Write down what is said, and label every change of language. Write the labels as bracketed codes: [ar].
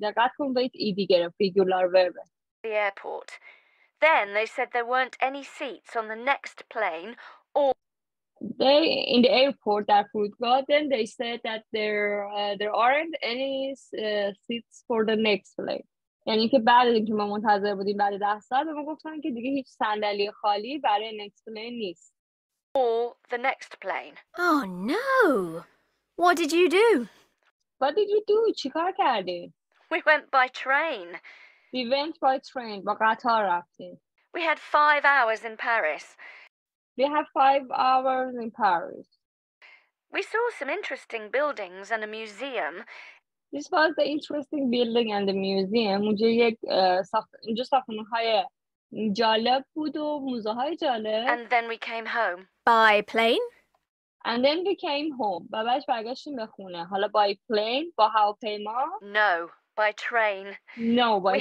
[fa] دقت کن wait ای دیگه رو [en] regular verb. The airport. Then they said there weren't any seats on the next plane or... They in the airport at Fruitgarden, then they said that there aren't any seats for the next plane. [fa] یعنی که بعد اینکه ما منتظر بودیم بعد 10 ساعت ما گفتن که دیگه هیچ صندلی خالی برای [en] next plane [fa] نیست. [en] Or the next plane. Oh no. What did you do? What did you do? [fa] چیکار کردی؟ [en] We went by train. We went by train. [fa] با قطار رفتیم. [en] We had 5 hours in Paris. We have 5 hours in Paris. We saw some interesting buildings and a museum. This was the interesting building and the museum. [fa] مجھے یک ساختمان‌های جالب بود و موزه‌های جالب. [en] And then we came home. By plane? And then we came home. [fa] بعدش برگشتیم به خونه. حالا [en] by plane؟ [fa] با هواپیما؟ [en] No, by train. No, by train.